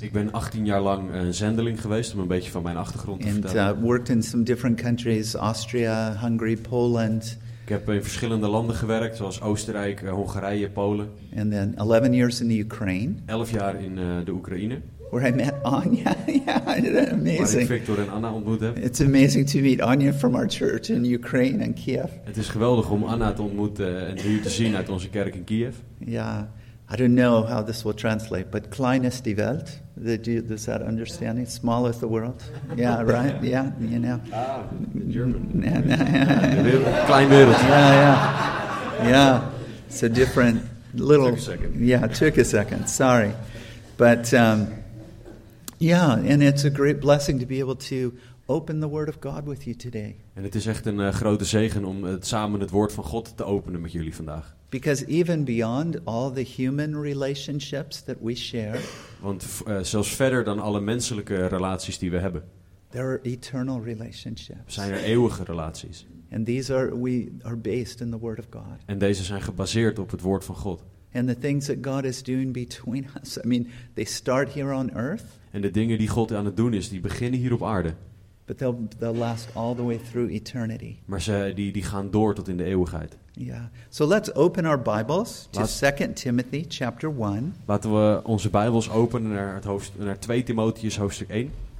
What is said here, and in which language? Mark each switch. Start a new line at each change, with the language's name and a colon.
Dutch: Ik ben 18 jaar lang een zendeling geweest, om een beetje van mijn achtergrond te vertellen.
English: And worked in some different countries, Austria, Hungary, Poland.
Dutch: Ik heb in verschillende landen gewerkt, zoals Oostenrijk, Hongarije, Polen.
English: And then 11 years in the Ukraine.
Dutch: 11 jaar in de Oekraïne.
English: Where I met Anya. Yeah, amazing.
Dutch: Waar ik Victor en Anna ontmoet heb.
English: It's amazing to meet Anya from our church in Ukraine and Kiev.
Dutch: Het is geweldig om Anna te ontmoeten en nu te zien uit onze kerk in Kiev.
English: Yeah, I don't know how this will translate, but
German: klein is die Welt.
English: Does that understanding? Small is the world. Yeah, right? Yeah, you know. Ah, German.
Dutch: Klein wereld.
English: Yeah, yeah. Yeah, it's a different little... Took a second. Yeah, took a second. Sorry. But... yeah, and it's a great blessing to be able to open the Word of God with you today.
Dutch: En het is echt een grote zegen om samen het Woord van God te openen met jullie vandaag.
English: Because even beyond all the human relationships that we share.
Dutch: Want zelfs verder dan alle menselijke relaties die we hebben.
English: There are eternal relationships.
Dutch: Zijn er eeuwige relaties.
English: And these are we are based in the Word of God.
Dutch: En deze zijn gebaseerd op het Woord van God.
English: And the things that God is doing between us. I mean, they start here on earth.
Dutch: En de dingen die God aan het doen is, die beginnen hier op aarde.
English: But they'll last all the way through eternity.
Dutch: Maar ze die gaan door tot in de eeuwigheid.
English: Yeah. So let's open our Bibles to 2 Timothy chapter 1.
Dutch: Laten we onze Bijbels openen naar 2 Timotheus hoofdstuk 1.